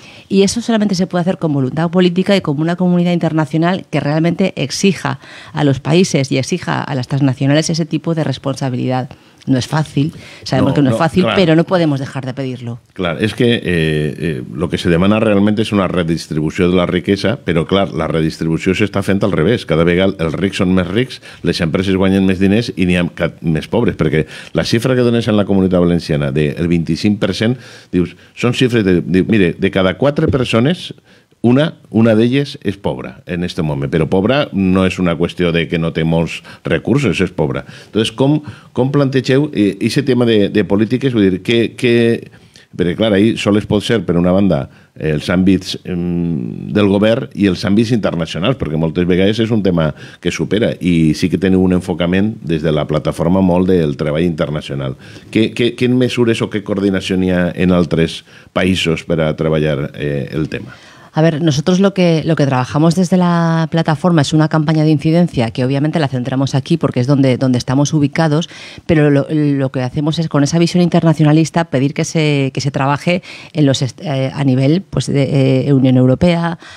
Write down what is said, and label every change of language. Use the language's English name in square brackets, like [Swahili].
[Spanish] Y eso solamente se puede hacer con voluntad política y con una comunidad internacional que realmente exija a los países y exija a las transnacionales ese tipo de responsabilidad. No es fácil, sabemos que no es fácil, claro, pero no podemos dejar de pedirlo. Claro, es que lo que se demanda realmente es una redistribución de la riqueza, pero claro, la redistribución se está fent al revés. [Catalan] Cada vegada els rics són més rics, les empreses guanyen més diners i n'hi ha més pobres, perquè la xifra que dones en la Comunitat Valenciana del 25%, dius, són xifres de cada 4 persones... [Spanish] Una de ellas es pobre en este momento, pero pobre no es una cuestión de que no tenemos recursos, es pobre. Entonces, ¿cómo plantecheu ese tema de políticas? [Catalan] Vull dir, perquè clar, [Spanish] ahí solo [Catalan] pot ser, per una banda, els àmbits del govern i els àmbits internacionals, perquè moltes vegades és un tema que supera, i sí que teniu un enfocament des de la plataforma molt del treball internacional. Quines mesures o què coordinació hi ha en altres països per a treballar el tema? [Spanish] A ver, nosotros lo que trabajamos desde la plataforma es una campaña de incidencia que obviamente la centramos aquí porque es donde estamos ubicados, pero lo que hacemos es con esa visión internacionalista pedir que se trabaje en los a nivel pues de Unión Europea,